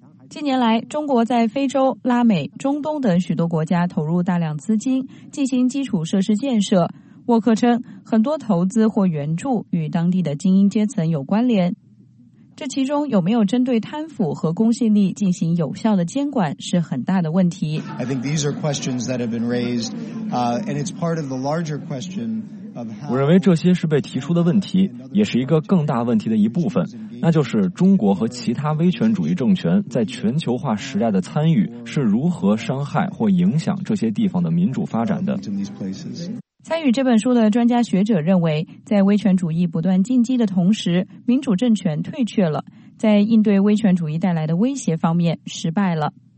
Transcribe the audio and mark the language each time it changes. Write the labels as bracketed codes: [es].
[zh] 近年来，中国在非洲、拉美、中东等许多国家投入大量资金进行基础设施建设。沃克称，很多投资或援助与当地的精英阶层有关联，这其中有没有针对贪腐和公信力进行有效的监管是很大的问题。 [en] I think these are questions that have been raised, and it's part of the larger question of how. [zh] 我认为这些是被提出的问题，也是一个更大问题的一部分，那就是中国和其他威权主义政权在全球化时代的参与是如何伤害或影响这些地方的民主发展的。参与这本书的专家学者认为，在威权主义不断进击的同时，民主政权退却了，在应对威权主义带来的威胁方面失败了。